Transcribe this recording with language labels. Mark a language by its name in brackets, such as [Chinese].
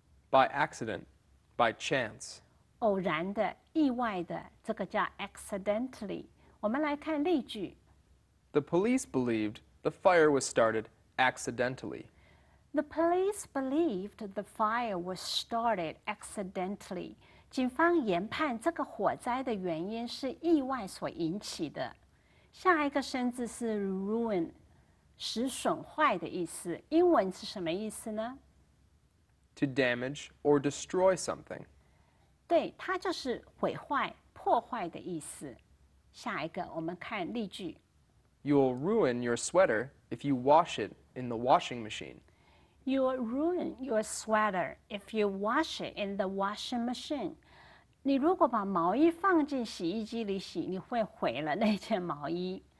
[English] ？By accident, by chance. [Chinese] 偶然的，意外的，这个叫 accidentally。我们来看例句。 [English] The police believed the fire was started. Accidentally. The police believed the fire was started accidentally. [Chinese] 警方研判这个火灾的原因是意外所引起的。下一个生字是 ruin, 使损坏的意思。英文是什么意思呢？ [English] To damage or destroy something. [Chinese] 对，它就是毁坏、破坏的意思。下一个我们看例句。 [English] You'll ruin your sweater if you wash it. In the washing machine. You'll ruin your sweater if you wash it in the washing machine. [Chinese] 你如果把毛衣放进洗衣机里洗，你会毁了那件毛衣。